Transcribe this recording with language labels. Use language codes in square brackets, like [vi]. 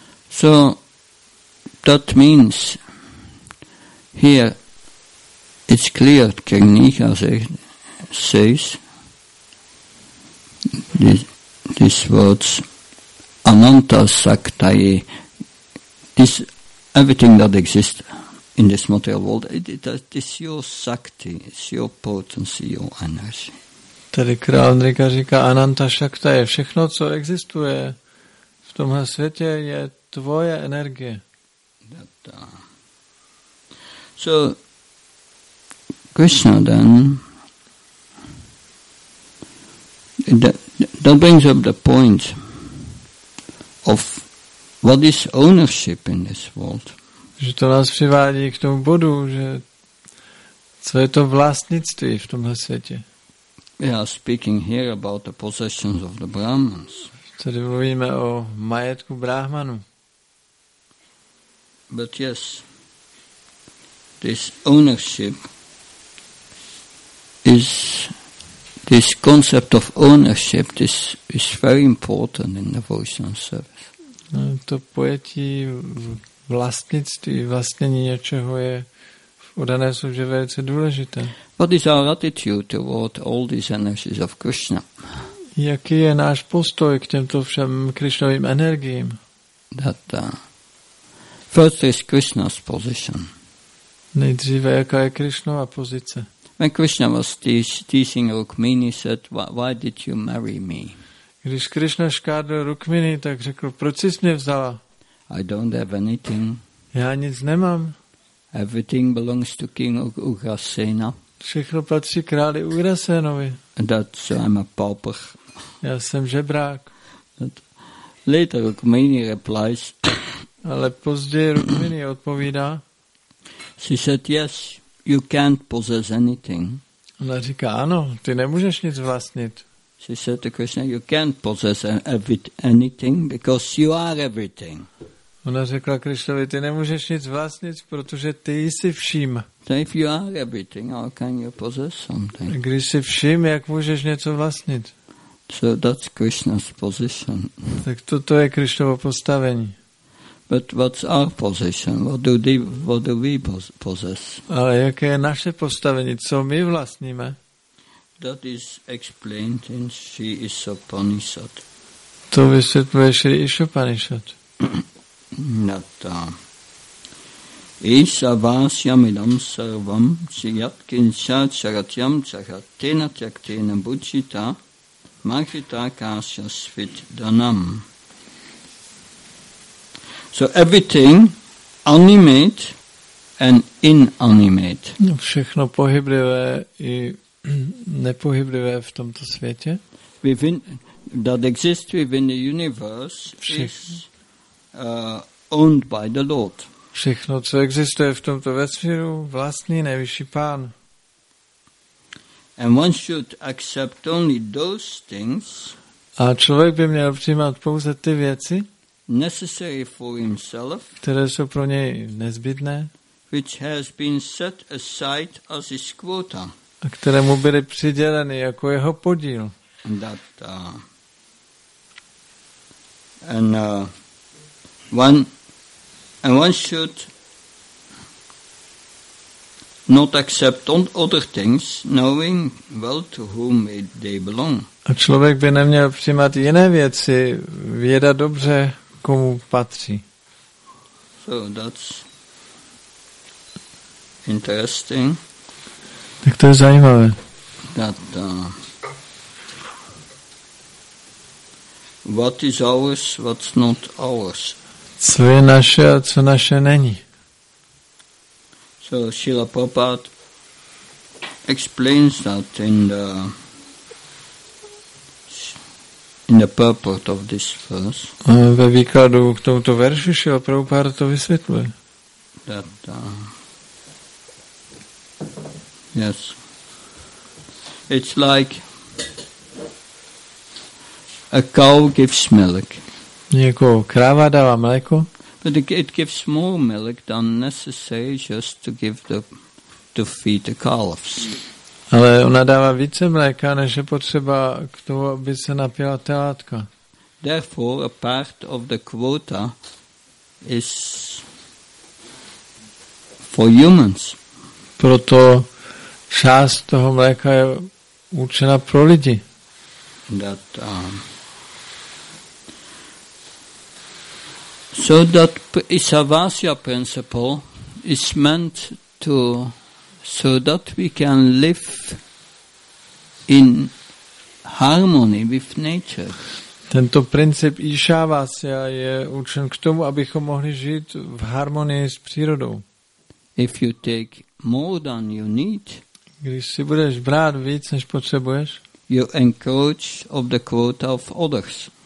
[en] So that means here it's clear Kegniha says these words [sa] Ananta Saktaye, [en] this everything that exists in this material world, it's your sakti, it's your potency, your energy. [cs] Tady král Nrika říká [sa] Ananta Saktaye, [cs] všechno, co existuje v tomhle světě, je tvoje energie. [en] So Krishna then that brings up the point of what is ownership in this world. [cs] Že to nás přivádí k tomu bodu, že co je to vlastnictví v tomhle světě. [en] We are speaking here about the possessions of the Brahmans. [cs] Tady mluvíme o majetku Brahmanů. [en] But yes, this ownership is this concept of ownership is very important in the devotional service. [cs] No, to pojetí vlastnictví, vlastnění něčeho je v udané služe velice důležité. [en] What is our attitude toward all these energies of Krishna? [cs] Jaký je náš postoj k těmto všem Krishnovým energiím? [en] That first is Krishna's position. [cs] Nejdříve, jaká je Krishnova pozice? [en] When Krishna was teasing Rukmini, he said, why did you marry me? [cs] Když Krishna škádl Rukmini, tak řekl, proč jsi mě vzala? [en] I don't have anything. [cs] Já nic nemám. [en] Everything belongs to King Ugrasena. [cs] Všechno patří králi Ugrasenovi. [en] That's I'm a pauper. [cs] Já jsem žebrák. [en] Later Rukmini replies. [cs] Ale později Rukmini odpovídá. [en] She said, yes, you can't possess anything. [cs] Ona říká, ano, ty nemůžeš nic vlastnit. [en] She said to Krishna, you can't possess anything because you are everything. [cs] Ona řekla Krishnovi, ty nemůžeš nic vlastnit, protože ty jsi vším. [en] So if you are everything, how can you possess something? [cs] Když jsi vším, jak můžeš něco vlastnit? [en] So that's Krishna's position. [cs] Tak toto je Krishnovo postavení. [en] But what's our position? What do we possess? [cs] Ale jaké je naše postavení? Co my vlastníme? [en] That is explained in Sri Isopanishad. [cs] To vysvětluje Sri Isopanishad. [sa] Nata. Isa vasyam idam sarvam si yat kinsa charatyam charatena tyaktena buchita mahita kasya svit danam. [en] So everything animate and inanimate. [cs] Všechno pohyblivé i nepohyblivé v tomto světě. [en] Within, that exists within the universe is owned by the Lord. [cs] Všechno, co existuje v tomto vesmíru, vlastní nejvyšší pán. [en] And one should accept only those things. [cs] A člověk by měl přijímat pouze ty věci, [en] necessary for himself, [cs] které jsou pro něj nezbytné, [en] which has been set aside as his quota, [cs] a které mu byly přiděleny jako jeho podíl. [en] That, and one should not accept other things, knowing well to whom they belong. [cs] A člověk by neměl přijímat jiné věci, věda dobře, komu patří. [en] So that's interesting. [cs] Tak to je zajímavé. [en] That, what is ours, what's not ours. [cs] Co je naše a co naše není. [en] So Srila Prabhupada explains that in the purport of this verse. [cs] Ve výkladu k tomuto veršu Srila Prabhupada to vysvětluje. [en] That Yes. It's like a cow gives milk. [cs] Jako kráva dává mléko. [en] But it gives more milk than necessary just to give to feed the calves. [cs] Ale ona dává více mléka, než je potřeba k tomu, aby se napila telátka. [en] Therefore, a part of the quota is for humans. [cs] Proto část toho mléka je určena pro lidi. [en] That, so that Isavasya principle is meant to so that we can live in harmony with nature. [cs] Tento princip Isavasya je určen k tomu, abychom mohli žít v harmonii s přírodou. [en] If you take more than you need, [cs] když si budeš brát víc, než potřebuješ, [en] you encroach of the quota of others.